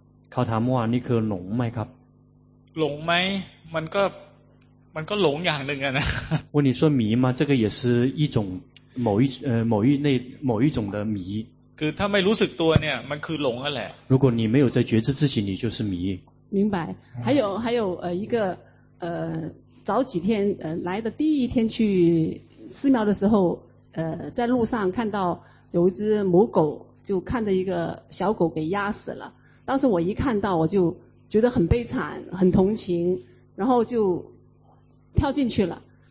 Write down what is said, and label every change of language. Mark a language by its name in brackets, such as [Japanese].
[Thai] เขาถามว่านี่คือหลงไหมครับ หลงไหมมันก็หลงอย่างหนึ่งอะนะ [Chinese] 问你说迷吗这个也是一种某一种的迷 [Thai] คือถ้าไม่รู้สึกตัวเนี่ยมันคือหลงแหละ [Chinese] 如果你没有在觉知自己你就是迷明白还有一个早几天来的第一天去寺庙的时候在路上看到有一只母狗就看着一个小狗给压死了当时我一看到我就觉得很悲惨很同情然后就跳进去了